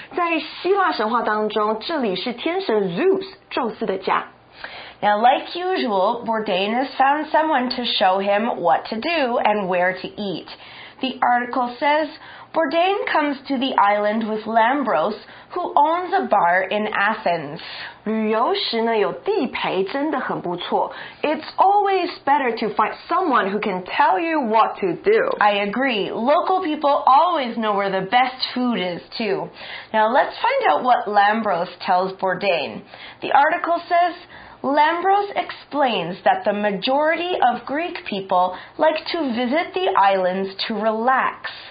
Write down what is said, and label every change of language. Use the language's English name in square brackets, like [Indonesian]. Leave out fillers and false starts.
[Chinese] 在希腊神话当中，这里是天神 Zeus 宙斯的家。 [English] Now, like usual, Bourdain has found someone to show him what to do and where to eat. The article says Bourdain comes to the island with Lambros. Who owns a bar in Athens? [Chinese] 旅游时呢，有地陪真的很不错。 [English] It's always better to find someone who can tell you what to do. I agree. Local people always know where the best food is, too. Now, let's find out what Lambros tells Bourdain. The article says... Lambros explains that the majority of Greek people like to visit the islands to relax.